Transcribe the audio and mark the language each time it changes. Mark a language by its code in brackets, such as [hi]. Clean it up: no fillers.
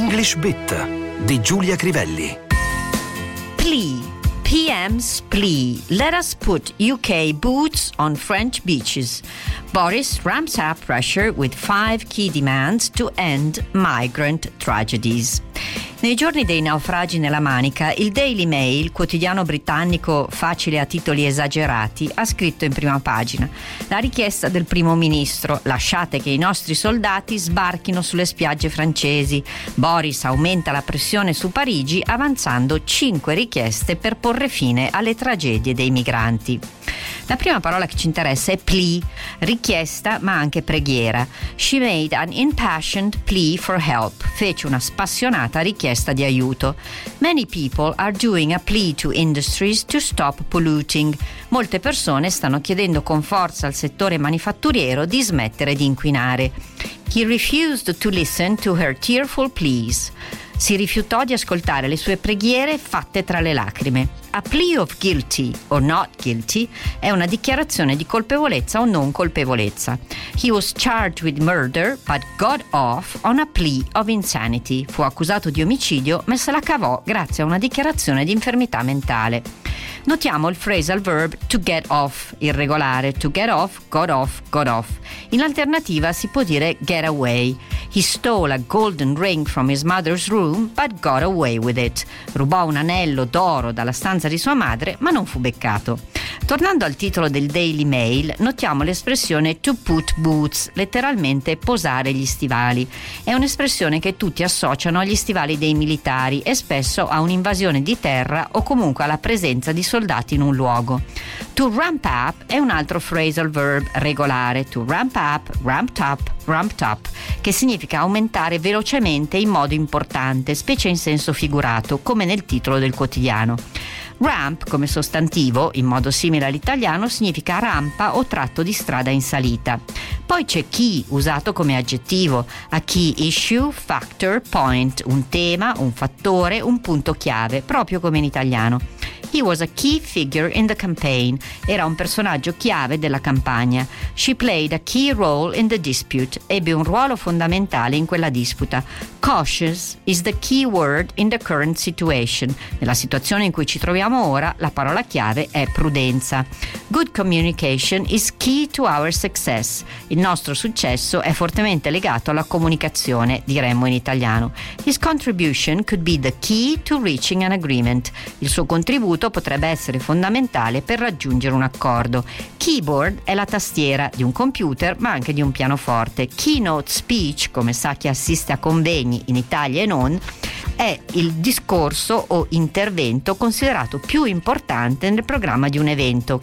[it] Flash Bit di Giulia Crivelli. [en] Plea. PM's plea. Let us put UK boots on French beaches. Boris ramps up pressure with 5 key demands to end migrant tragedies. [it] Nei giorni dei naufragi nella Manica, il Daily Mail, quotidiano britannico facile a titoli esagerati, ha scritto in prima pagina la richiesta del primo ministro: lasciate che i nostri soldati sbarchino sulle spiagge francesi. Boris aumenta la pressione su Parigi avanzando 5 richieste per porre fine alle tragedie dei migranti. La prima parola che ci interessa è plea, richiesta ma anche preghiera. [en] She made an impassioned plea for help. [it] Fece una spassionata richiesta di aiuto. [en] Many people are doing a plea to industries to stop polluting. [it] Molte persone stanno chiedendo con forza al settore manifatturiero di smettere di inquinare. [en] He refused to listen to her tearful pleas. [it] Si rifiutò di ascoltare le sue preghiere fatte tra le lacrime. [en] A plea of guilty or not guilty [it] è una dichiarazione di colpevolezza o non colpevolezza. [en] He was charged with murder but got off on a plea of insanity. [it] Fu accusato di omicidio ma se la cavò grazie a una dichiarazione di infermità mentale. Notiamo il phrasal verb [en] to get off, irregolare, to get off, got off, [it] got off. In alternativa si può dire get away. [en] He stole a golden ring from his mother's room, but got away with it. [it] Rubò un anello d'oro dalla stanza di sua madre, ma non fu beccato. Tornando al titolo del Daily Mail, notiamo l'espressione to put boots, letteralmente posare gli stivali. È un'espressione che tutti associano agli stivali dei militari e spesso a un'invasione di terra o comunque alla presenza di soldati in un luogo. To ramp up è un altro phrasal verb regolare, [en] to ramp up, ramped up, [it] ramped up, che significa aumentare velocemente in modo importante, specie in senso figurato, come nel titolo del quotidiano. Ramp, come sostantivo, in modo simile all'italiano, significa rampa o tratto di strada in salita. Poi c'è key, usato come aggettivo, [en] a key issue, factor, point, [it] un tema, un fattore, un punto chiave, proprio come in italiano. [en] He was a key figure in the campaign, [it] era un personaggio chiave della campagna. [en] She played a key role in the dispute, [it] ebbe un ruolo fondamentale in quella disputa. [en] Cautious is the key word in the current situation. [it] Nella situazione in cui ci troviamo ora, la parola chiave è prudenza. [en] Good communication is key to our success. [it] Il nostro successo è fortemente legato alla comunicazione, diremmo in italiano. [en] His contribution could be the key to reaching an agreement. [it] Il suo contributo potrebbe essere fondamentale per raggiungere un accordo. Keyboard è la tastiera di un computer, ma anche di un pianoforte. Keynote speech, come sa chi assiste a convegni in Italia e non, è il discorso o intervento considerato più importante nel programma di un evento.